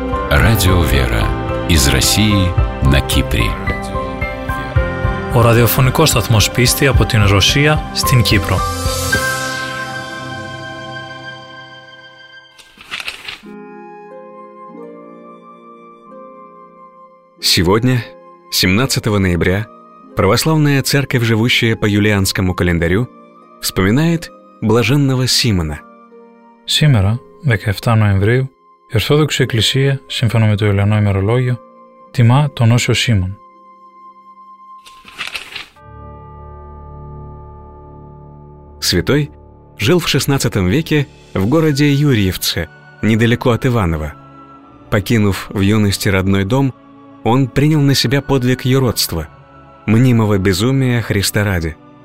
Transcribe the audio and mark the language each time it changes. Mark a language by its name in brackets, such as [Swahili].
[Russian] Радио «Вера» из России на Кипре. [Greek] Ο ραδιοφωνικός σταθμός πίστη από την Ρωσία στην Κύπρο. [Russian] Сегодня, 17 ноября, православная церковь, живущая по юлианскому календарю, вспоминает блаженного Симона. Сегодня, 17 ноября, [Greek] η Ορθόδοξη Εκκλησία, σύμφωνα με το Ιουλιανό ημερολόγιο, τιμά τον Όσιο Σίμων. [Russian] Святой жил в 16 веке в городе Юрьевце, недалеко от Иваново. Покинув в юности родной дом, он принял на себя подвиг юродства, мнимого безумия Христа ради.